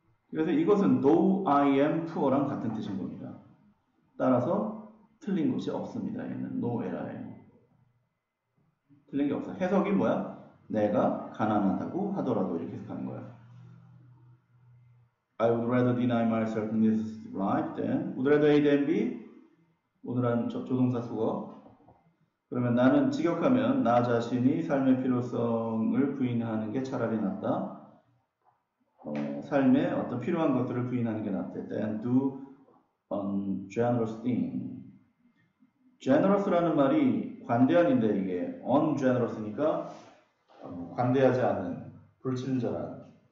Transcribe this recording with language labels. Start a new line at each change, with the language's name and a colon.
Korean: 그래서 이것은
English: though I am poor
Korean: 랑 같은 뜻인 겁니다. 따라서 틀린 것이 없습니다. 얘는
English: no error
Korean: 예요. 틀린 게 없어. 해석이 뭐야? 내가 가난하다고 하더라도 이렇게 해석하는 거야.
English: I would rather deny myself this right than would rather A than B.
Korean: 오늘 한 조동사 수거. 그러면 나는 직역하면 나 자신이 삶의 필요성을 부인하는 게 차라리 낫다. 삶의 어떤 필요한 것들을 부인하는 게 낫대.
English: Then do ungenerous thing.
Korean: generous라는 말이 관대한인데 이게 ungenerous니까 관대하지 않은, 불친절한.